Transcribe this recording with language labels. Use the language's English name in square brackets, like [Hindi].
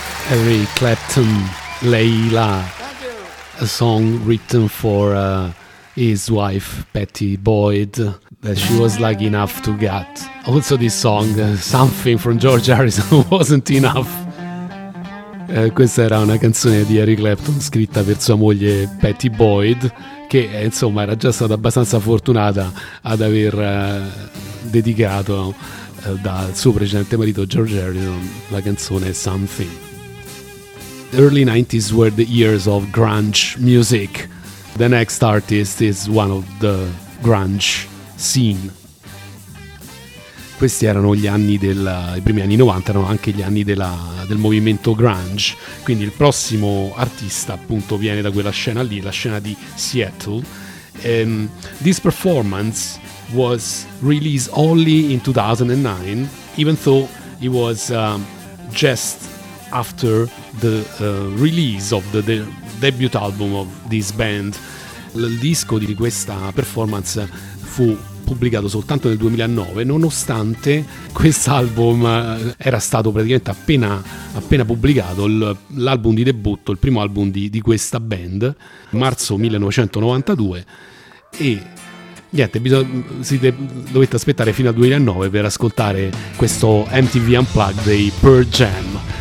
[English] Eric Clapton, Layla. A song written for his wife Patty Boyd that she was lucky enough to get. Also this song, Something from George Harrison, wasn't enough. [Italian] Questa era una canzone di Eric Clapton scritta per sua moglie Patty Boyd, che insomma era già stata abbastanza fortunata ad aver dedicato dal suo precedente marito George Harrison la canzone Something. [English] Early 90s were the years of grunge music. The next artist is one of the grunge scene. [Italian] Questi erano gli anni i primi anni 90, erano anche gli anni del movimento grunge. Quindi il prossimo artista appunto viene da quella scena lì, la scena di Seattle. [English] This performance was released only in 2009, even though it was just after the release of the debut album of this band. [Italian] Il disco di questa performance fu pubblicato soltanto nel 2009, nonostante quest'album era stato praticamente appena pubblicato, l'album di debutto, il primo album di questa band, marzo 1992, e niente, dovete aspettare fino al 2009 per ascoltare questo MTV Unplugged dei Pearl Jam.